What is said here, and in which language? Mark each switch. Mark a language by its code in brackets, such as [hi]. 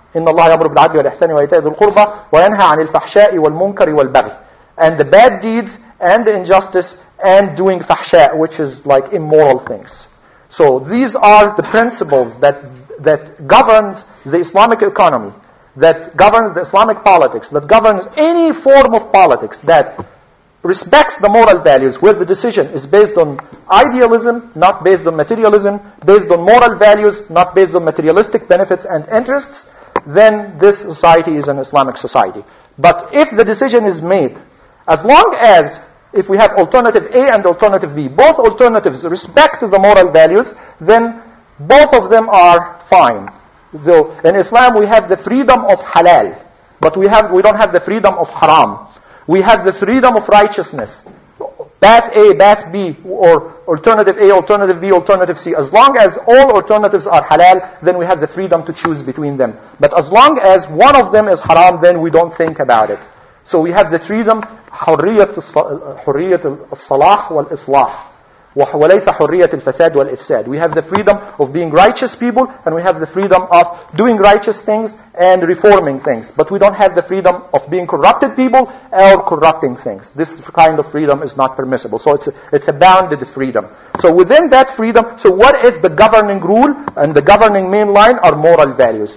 [ar] إن الله يأمر بالعدل والإحسان وإيتاء ذي القربى وينهى عن الفحشاء والمنكر والبغي. [en] And the bad deeds and the injustice and doing fahsha, which is like immoral things. So these are the principles that governs the Islamic economy, that governs the Islamic politics, that governs any form of politics that respects the moral values, where the decision is based on idealism, not based on materialism, based on moral values, not based on materialistic benefits and interests, then this society is an Islamic society. But if the decision is made, as long as if we have alternative A and alternative B, both alternatives respect the moral values, then both of them are fine. Though in Islam we have the freedom of halal, but we don't have the freedom of haram. We have the freedom of righteousness. Path A, path B, or alternative A, alternative B, alternative C. As long as all alternatives are halal, then we have the freedom to choose between them. But as long as one of them is haram, then we don't think about it. So we have the freedom, [ar] حُرِّيَّةِ الصَّلَاحِ وَالْإِصْلَاحِ وَلَيْسَ حُرِّيَّةِ الْفَسَادِ وَالْإِفْسَادِ. [en] We have the freedom of being righteous people, and we have the freedom of doing righteous things and reforming things. But we don't have the freedom of being corrupted people or corrupting things. This kind of freedom is not permissible. So it's a bounded freedom. So within that freedom, so what is the governing rule and the governing main line are moral values.